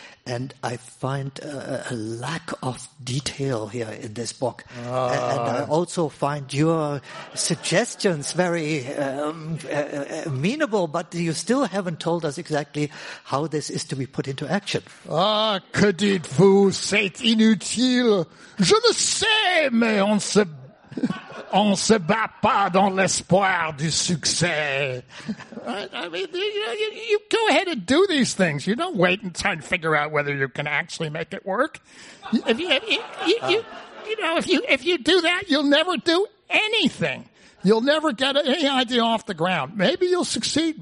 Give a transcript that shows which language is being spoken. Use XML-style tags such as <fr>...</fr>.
<en>And I find a lack of detail here in this book. And I also find your suggestions very amenable, but you still haven't told us exactly how this is to be put into action.</en> <fr>Ah, que dites-vous, c'est inutile. Je le sais, mais on se bat pas dans l'espoir du succès.</fr> <en>I mean, you go ahead and do these things. You don't wait and try and figure out whether you can actually make it work. If you do that, you'll never do anything. You'll never get any idea off the ground. Maybe you'll succeed.</en>